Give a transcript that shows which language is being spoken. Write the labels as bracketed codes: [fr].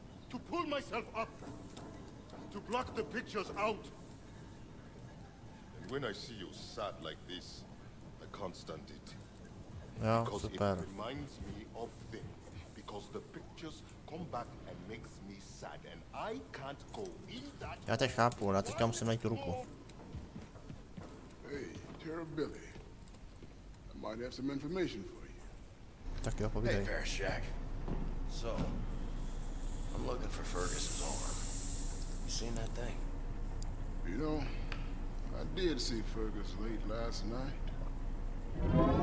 [en] To pull myself up? To block the pictures out. when I see you sad like this, I can't stand it. No, because super. It reminds me of them. Because the pictures come back and makes me sad, and I can't go in that. [cs] Já teď chápu, já teďka musím najít tu ruku. [en] Hey, Terra Billy. I might have some information for you. [cs] Tak jo, povídej. [en] Hey, Fair Shack. So, I'm looking for Fergus's arm. You seen that thing? You know, I did see Fergus late last night.